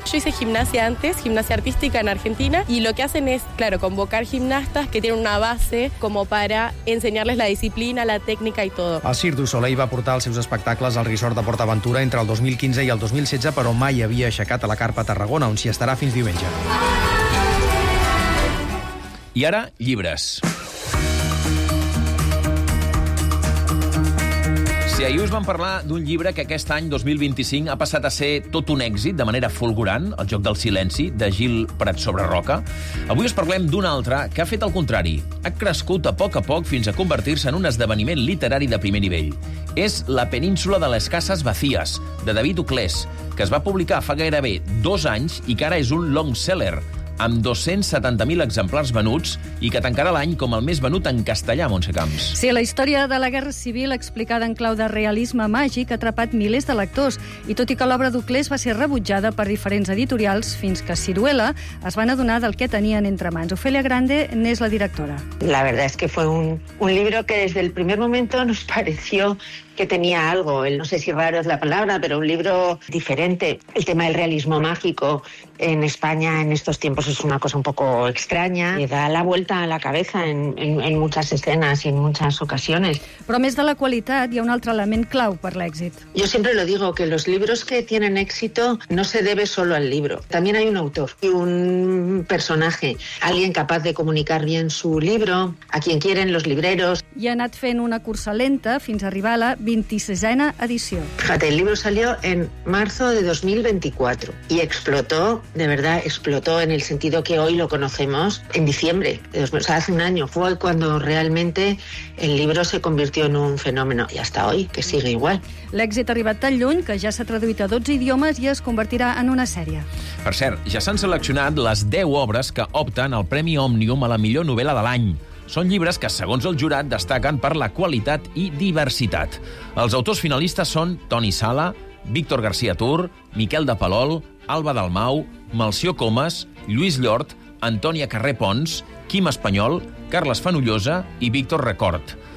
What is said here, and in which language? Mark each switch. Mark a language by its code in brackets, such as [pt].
[es] Yo hice gimnasia antes, gimnasia artística en Argentina, y lo que hacen es, claro, convocar gimnastas que tienen una base como para enseñarles la disciplina, la técnica y todo. [ca] El Cirque du Soleil va portar els seus espectacles al resort de PortAventura entre el 2015 i el 2016, però mai havia aixecat a la carpa a Tarragona, on s'hi estarà fins diumenge. I ara, llibres. Sí, ahir us vam parlar d'un llibre que aquest any, 2025, ha passat a ser tot un èxit de manera fulgurant, El joc del silenci, de Gil Prat sobre Roca. Avui us parlem d'un altre que ha fet el contrari. Ha crescut a poc fins a convertir-se en un esdeveniment literari de primer nivell. És La península de les cases vacies, de David Uclés, que es va publicar fa gairebé 2 anys i que ara és un long-seller, amb 270.000 exemplars venuts i que tancarà l'any com el més venut en castellà, Montse Camps. Sí, la història de la Guerra Civil explicada en clau de realisme màgic ha atrapat milers de lectors i tot i que l'obra d'Uclés va ser rebutjada per diferents editorials fins que Siruela es van adonar del que tenien entre mans. Ofelia Grande n'és la directora. [es] La verdad es que fue un libro que desde el primer momento nos pareció que tenía algo, no sé si raro es la palabra, pero un libro diferente. El tema del realismo mágico en España en estos tiempos es una cosa un poco extraña. Le da la vuelta a la cabeza en muchas escenas y en muchas ocasiones. [ca] Però a més de la qualitat, hi ha un altre element clau per l'èxit. [es] Yo siempre lo digo, que los libros que tienen éxito no se debe solo al libro. También hay un autor y un personaje, alguien capaz de comunicar bien su libro, a quien quieren los libreros. [ca] I ha anat fent una cursa lenta fins a arribar a la 26ª edición. [es] Fíjate, el libro salió en marzo de 2024 y explotó, de verdad, explotó en el sentido que hoy lo conocemos en diciembre. O sea, hace un año fue cuando realmente el libro se convirtió en un fenómeno y hasta hoy, que sigue igual. [ca] L'èxit ha arribat tan lluny que ja s'ha traduït a 12 idiomes i es convertirà en una sèrie. Per cert, ja s'han seleccionat les 10 obres que opten al Premi Òmnium a la millor novel·la de l'any. Són llibres que, segons el jurat, destaquen per la qualitat i diversitat. Els autors finalistes són Toni Sala, Víctor García Tur, Miquel de Palol, Alba Dalmau, Melcior Comas, Lluís Llort, Antònia Carré Pons, Quim Espanyol, Carles Fenollosa i Víctor Record.